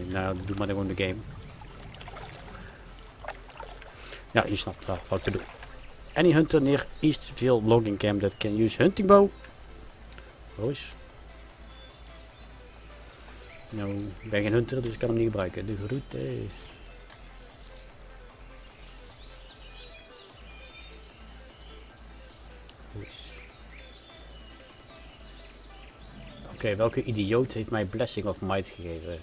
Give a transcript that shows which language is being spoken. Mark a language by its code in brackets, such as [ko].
[nl] Nou, doe maar gewoon de game. Ja, je snapt wel wat ik bedoel. [en] Any hunter near Eastville logging camp that can use hunting bow. [nl] Roos. Nou, ik ben geen hunter, dus ik kan hem niet gebruiken. De groete. Oké, welke idioot heeft mij Blessing of Might gegeven?